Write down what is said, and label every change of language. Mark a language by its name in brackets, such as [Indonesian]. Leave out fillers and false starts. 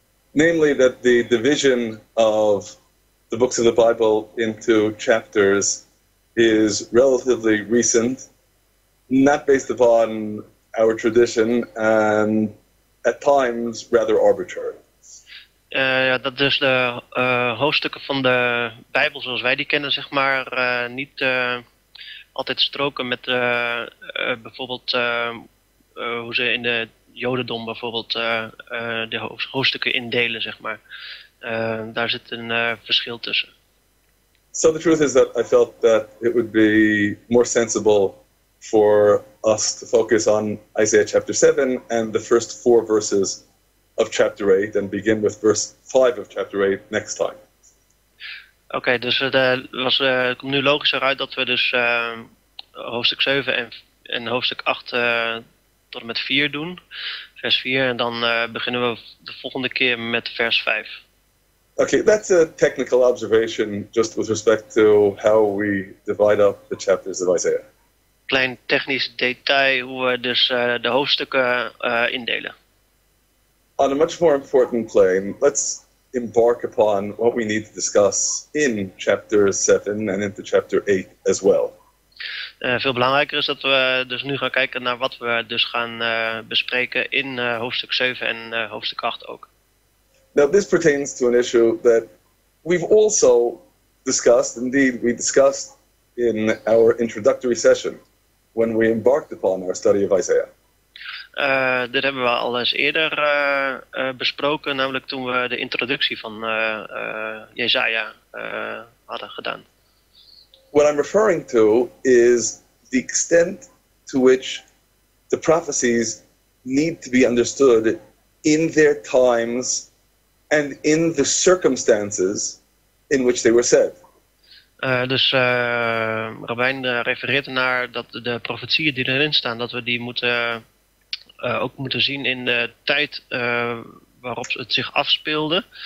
[English] Namely that the division of the books of the Bible into chapters is relatively recent, not based upon our tradition, and at times rather arbitrary. [Dutch] Dat dus de hoofdstukken van de Bijbel zoals wij die kennen, zeg maar, niet altijd stroken met bijvoorbeeld hoe ze in de Jodendom bijvoorbeeld de hoofdstukken indelen, zeg maar. Daar zit een verschil tussen. [English] So the truth is that I felt that it would be more sensible for us to focus on Isaiah chapter 7 and the first four verses of chapter 8 and begin with verse 5 of chapter 8 next time. [Dutch] Oké, dus het komt nu logischer uit dat we dus hoofdstuk 7 en hoofdstuk 8 tot en met 4 doen, vers 4, en dan beginnen we de volgende keer met vers 5. [English] Okay, that's a technical observation just with respect to how we divide up the chapters of Isaiah. [Dutch] Klein technisch detail hoe we dus de hoofdstukken indelen. [English] On a much more important plane, let's embark upon what we need to discuss in chapter 7 and into chapter 8 as well. [Dutch] Veel belangrijker is dat we dus nu gaan kijken naar wat we dus gaan bespreken in hoofdstuk 7 en hoofdstuk 8 ook. [English] Now this pertains to an issue that we've also discussed, indeed we discussed in our introductory session when we embarked upon our study of Isaiah. [Dutch] Dit hebben we al eens eerder besproken, namelijk toen we de introductie van Jesaja hadden gedaan. [English] What I'm referring to is the extent to which the prophecies need to be understood in their times and in the circumstances in which they were said. [Dutch] Dus Robijn refereert naar dat de profetieën die erin staan, dat we die moeten ook moeten zien in de tijd waarop het zich afspeelde.